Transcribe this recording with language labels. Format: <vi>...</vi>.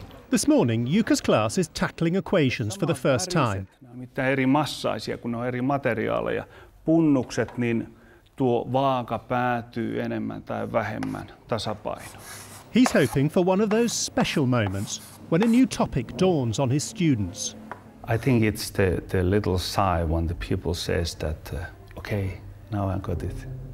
<en>This morning, Jukka's class is tackling equations for the first time.</en> <fi>Mitä eri massaisia, kun on eri materiaaleja, punnukset, niin tuo vaaka päätyy enemmän tai vähemmän tasapainoon.</fi> <en>He's hoping for one of those special moments when a new topic dawns on his students. I think it's the little sigh when the pupil says that, okay, now I got it.</en>